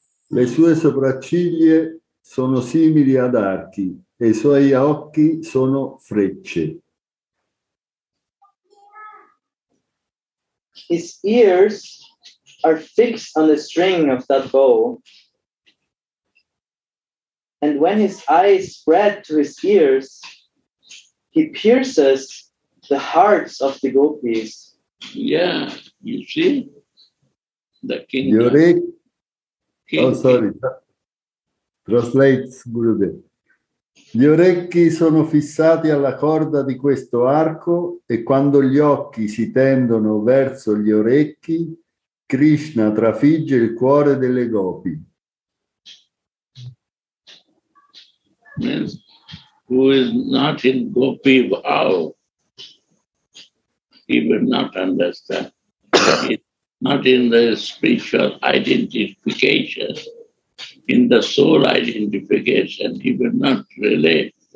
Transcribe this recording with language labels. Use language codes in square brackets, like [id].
[it] Le sue sopracciglia sono simili ad archi, e i suoi occhi sono frecce. [en] His ears are fixed on the string of that bow, and when his eyes spread to his ears, he pierces the hearts of the gopis. Yeah, you see? The king. Translates, Gurudev. [it] Gli orecchi sono fissati alla corda di questo arco e quando gli occhi si tendono verso gli orecchi, Krishna trafigge il cuore delle gopi. [en] Yes. Who is not in gopi vow, he will not understand. He's not in the spiritual identification, in the soul identification, he will not relate.